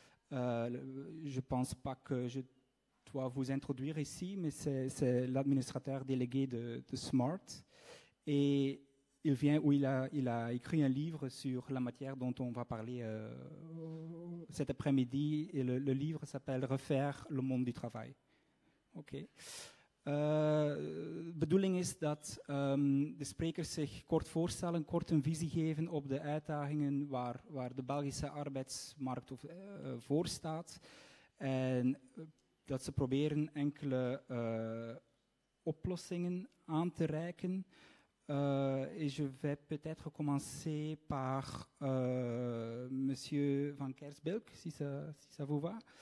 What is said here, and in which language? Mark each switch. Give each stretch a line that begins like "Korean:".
French: Je ne pense pas que je dois vous introduire ici, mais c'est l'administrateur délégué de Smart. Et il vient où il a écrit un livre sur la matière dont on va parler cet après-midi. Et le livre s'appelle « Refaire le monde du travail ». Ok.
Dutch: De bedoeling is dat de sprekers zich kort voorstellen, kort een visie geven op de uitdagingen waar de Belgische arbeidsmarkt voor staat. En dat ze proberen enkele oplossingen aan te reiken.
French: Et je vais peut-être commencer par monsieur Van Kersbilk, si ça vous va.